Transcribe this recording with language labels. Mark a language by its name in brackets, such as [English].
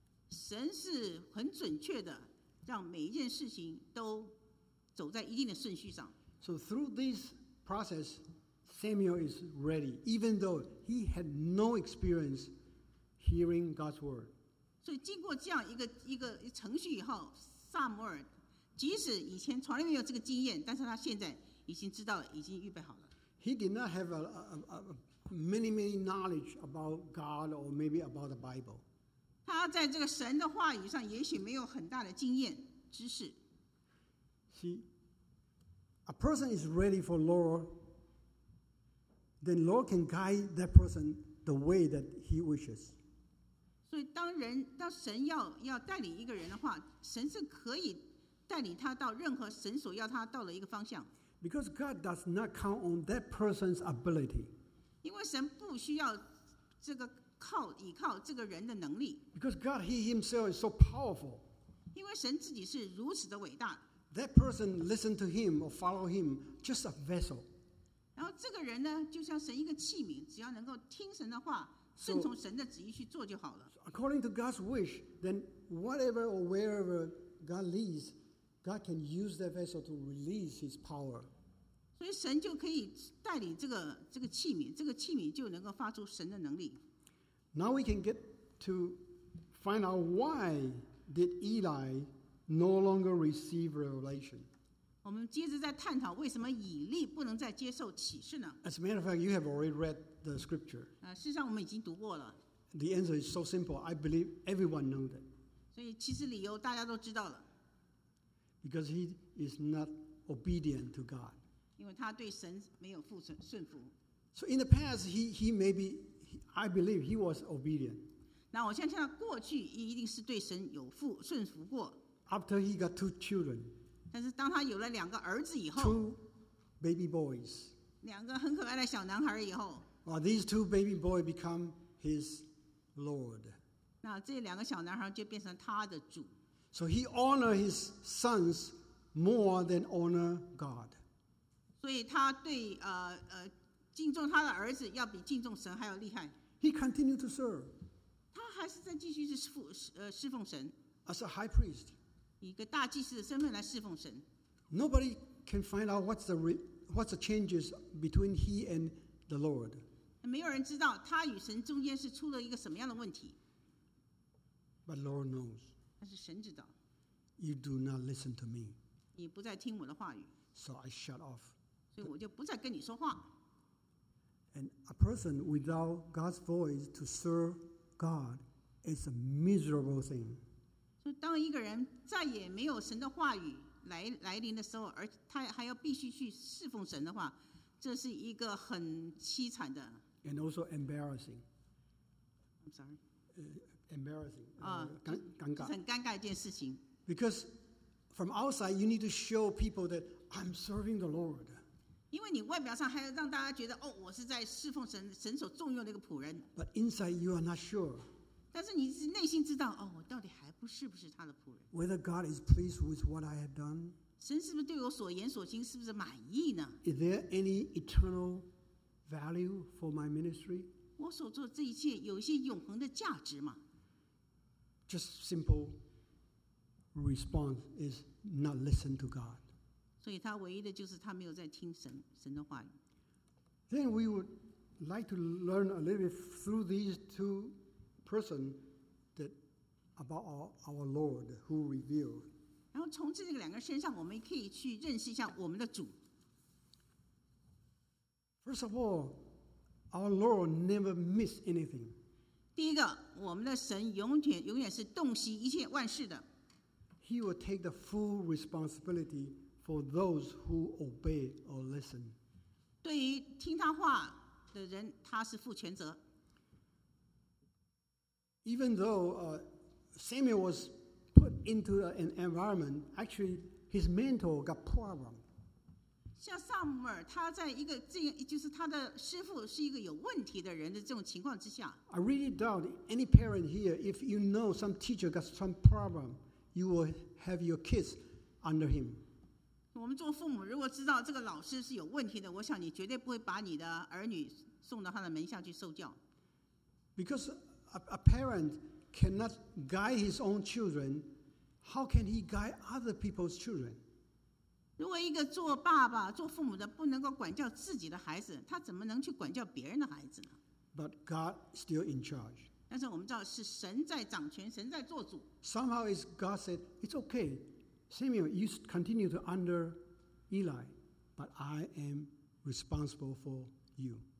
[Chinese] 神是很准确的，让每一件事情都走在一定的顺序上。 [English] So through this process. Samuel is ready, even though he had no experience hearing God's word. [Chinese] 所以经过这样一个程序以后，撒母耳即使以前从来没有这个经验，但是他现在已经知道了，已经预备好了。 [English] He did not have a many many knowledge about God or maybe about the Bible. [Chinese] 他在这个神的话语上也许没有很大的经验知识。 [English] See, a person is ready for Lord. Then Lord can guide that person the way that he wishes. [Chinese] 所以当神要带领一个人的话，神是可以带领他到任何神所要他到的一个方向。 [English] Because God does not count on that person's ability. [Chinese] 因为神不需要这个依靠这个人的能力。 [English] Because God he himself is so powerful. [Chinese] 因为神自己是如此的伟大。 [English] That person listen to him or follow him just a vessel. [Chinese] 然后这个人呢，就像神一个器皿，只要能够听神的话，顺从神的旨意去做就好了。 [English] So, according to God's wish, then whatever or wherever God leads, God can use that vessel to release His power. [Chinese] 所以神就可以带领这个器皿，这个器皿就能够发出神的能力。 [English] Now we can get to find out why did Eli no longer receive revelation. [Chinese] 我们接着在探讨为什么以利不能再接受启示呢？ [English] As a matter of fact, you have already read the scripture. [Chinese] 事实上我们已经读过了。 [English] The answer is so simple. I believe everyone knows that. [Chinese] 所以其实理由大家都知道了。 [English] Because he is not obedient to God. [Chinese] 因为他对神没有顺服。 [English] So in the past, I believe he was obedient. [Chinese] 那我相信他过去一定是对神有顺服过。 [English] After he got two children. [Chinese] 但是当他有了两个儿子以后 [English] Two baby boys [Chinese] 两个很可爱的小男孩以后 [English] Well, these two baby boys become his lord. [Chinese] 那这两个小男孩就变成他的主。 [English] So he honored his sons more than honor God. [Chinese] 所以他对敬重他的儿子要比敬重神还要厉害。 [English] He continued to serve. [Chinese] 他还是在继续侍奉神。 [English] As a high priest. [Chinese] 一个大祭司的身份来侍奉神。 [English] Nobody can find out what's the changes between he and the Lord. [Chinese] 没有人知道他与神中间是出了一个什么样的问题。 [English] But Lord knows. [Chinese] 但是神知道。 [English] You do not listen to me. [Chinese] 你不再听我的话语。 [English] So I shut off. [Chinese] 所以我就不再跟你说话。 [English] And a person without God's voice to serve God is a miserable thing. [Chinese] 所以当一个人再也没有神的话语来临的时候，而他还要必须去侍奉神的话，这是一个很凄惨的。 [English] And also embarrassing. I'm sorry. Embarrassing. [Chinese] 尴尬。很尴尬一件事情。 [English] Because from outside, you need to show people that I'm serving the Lord. [Chinese] 因为你外表上还要让大家觉得，哦，我是在侍奉神，神所重用的一个仆人。 [English] But inside, you are not sure. [Chinese] 但是你内心知道，哦，我到底还不是不是他的仆人。 [English] Whether God is pleased with what I have done. [Chinese] 神是不是对我所言所行是不是满意呢？ [English] Is there any eternal value for my ministry? [Chinese] 我所做这一切有一些永恒的价值吗？ [English] Just simple response is not listen to God. [Chinese] 所以他唯一的就是他没有在听神的话语。 [English] Then we would like to learn a little bit through these two persons that about our Lord who revealed. [Chinese] 然后从这两个身上，我们可以去认识一下我们的主。 [English] First of all, our Lord never missed anything. [Chinese] 第一个，我们的神永远是洞悉一切万事的。 [English] He will take the full responsibility for those who obey or listen. [Chinese] 对于听他话的人，他是负全责。 [English] Even though Samuel was put into an environment, actually his mentor got problem. [Chinese] 像撒母耳，他在一个这样，就是他的师父是一个有问题的人的这种情况之下。 [English] I really doubt any parent here if you know some teacher got some problem. You will have your kids under him. [Chinese] 我们做父母如果知道这个老师是有问题的，我想你绝对不会把你的儿女送到他的门下去受教。 [English] Because a parent cannot guide his own children, how can he guide other people's children? [Chinese] 如果一个做爸爸、做父母的不能够管教自己的孩子，他怎么能去管教别人的孩子呢？ [English] But God is still in charge. [Chinese] 但是我们知道是神在掌权，神在做主。 [English] Somehow, is God said, "It's okay, Samuel. You continue to under Eli, but I am responsible for you."